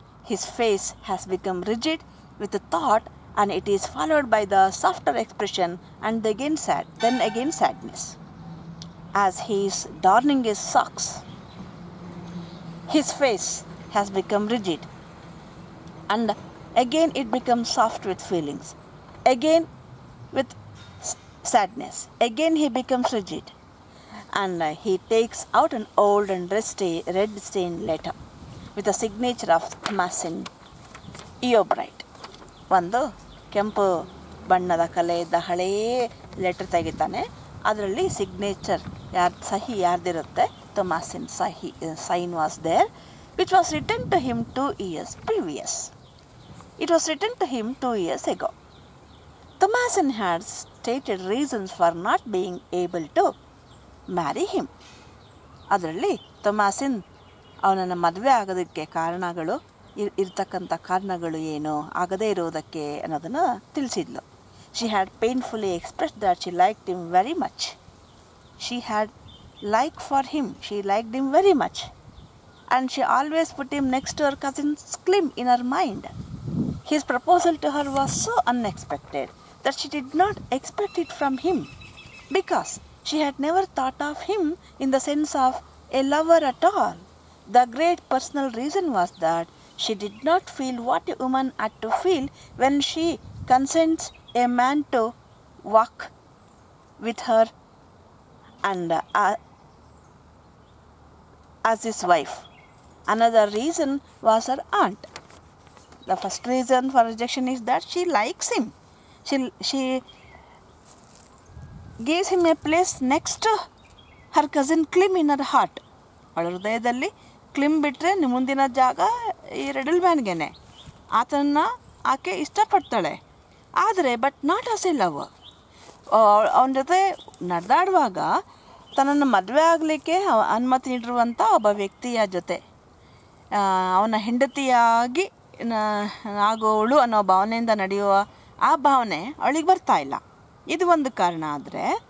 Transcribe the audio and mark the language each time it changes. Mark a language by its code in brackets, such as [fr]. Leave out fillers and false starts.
[en] His face has become rigid with thought and it is followed by the softer expression and again sad then again sadness as he's darning his socks. His face has become rigid and again it become soft with feelings again with sadness. Again he becomes rigid and he takes out an old and rusty red stained letter with a signature of Thomasin Eobright. [kn] ಒಂದು ಕೆಂಪು ಬಣ್ಣದ ಕಲೆ ಇದ್ದ ಹಳೇ letter ತೆಗಿತಾನೆ, ಅದರಲ್ಲಿ signature ಯಾರ್ ಸಹಿ ಯಾರ್ದಿರುತ್ತೆ, ಥೊಮಾಸಿನ್ ಸಹಿ [en] Sign was there, which was return to him 2 years previous. It was return to him 2 years ago. Thomasin had stated reasons for not being able to marry him. [kn] ಅದರಲ್ಲಿ ಥೊಮಾಸಿನ್ ಅವನನ್ನು ಮದುವೆ ಆಗೋದಕ್ಕೆ ಕಾರಣಗಳು ಇರ್ತಕ್ಕಂಥ ಕಾರಣಗಳು ಏನು ಆಗದೇ ಇರೋದಕ್ಕೆ ಅನ್ನೋದನ್ನು ತಿಳಿಸಿದ್ಲು. [en] She had painfully express that she liked him very much. She had like for him, she liked him very much and she always put him next to our cousin slim in our mind. His proposal to her was so unexpected that she did not expect it from him because she had never thought of him in the sense of a lover at all. The great personal reason was that she did not feel what a woman had to feel when she consents a man to walk with her and as his wife. Another reason was her aunt. The first reason for rejection is that she likes him. She gives him a place next to her cousin Klim in her heart. [kn] ಅವಳ ಹೃದಯದಲ್ಲಿ ಕ್ಲಿಮ್ ಬಿಟ್ಟರೆ ಮುಂದಿನ ಜಾಗ ಈ Riddle ಮ್ಯಾನ್ಗೇನೆ. ಆತನ ಆಕೆ ಇಷ್ಟಪಡ್ತಾಳೆ, ಆದರೆ [en] But not as a love. [kn] ಅವನ ಜೊತೆ ನಡೆದಾಡುವಾಗ ತನ್ನನ್ನು ಮದುವೆ ಆಗಲಿಕ್ಕೆ ಅನುಮತಿ ನೀಡಿರುವಂಥ ಒಬ್ಬ ವ್ಯಕ್ತಿಯ ಜೊತೆ ಅವನ ಹೆಂಡತಿಯಾಗಿ ಆಗೋಳು ಅನ್ನೋ ಭಾವನೆಯಿಂದ ನಡೆಯುವ ಆ ಭಾವನೆ ಅವಳಿಗೆ ಬರ್ತಾ ಇಲ್ಲ. ಇದು ಒಂದು ಕಾರಣ. ಆದರೆ